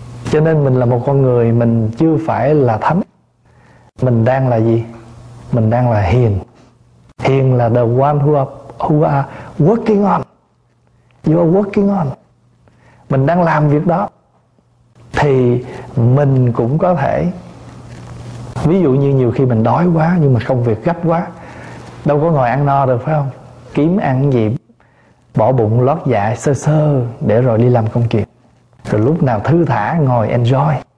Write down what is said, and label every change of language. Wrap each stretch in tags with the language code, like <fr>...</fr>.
<vi>Cho nên mình là một con người, mình chưa phải là thánh. Mình đang là gì? Mình đang là hiền. Hiền là</vi> <en>the one who are working on. You are working on.</en> <vi>Mình đang làm việc đó. Thì mình cũng có thể, ví dụ như nhiều khi mình đói quá, nhưng mà công việc gấp quá, đâu có ngồi ăn no được phải không? Kiếm ăn gì bỏ bụng lót dạ sơ sơ, để rồi đi làm công việc, rồi lúc nào thư thả ngồi enjoy.</vi>